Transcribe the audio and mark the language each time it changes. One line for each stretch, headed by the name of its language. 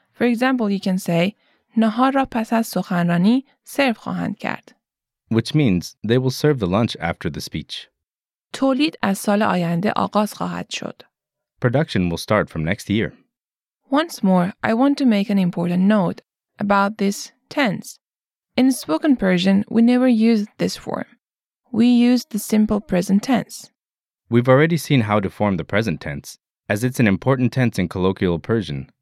English: For example, you can say
Persian: نهار را پس از سخنرانی سرو خواهند کرد.
English: Which means they will serve the lunch after the speech.
Persian: تولید از سال آینده آغاز خواهد شد.
English: Production will start from next year. Once more, I want to make an important note about this tense. In spoken Persian, we never use this form. We use the simple present tense. We've already seen how to form the present tense, as it's an important tense in colloquial Persian.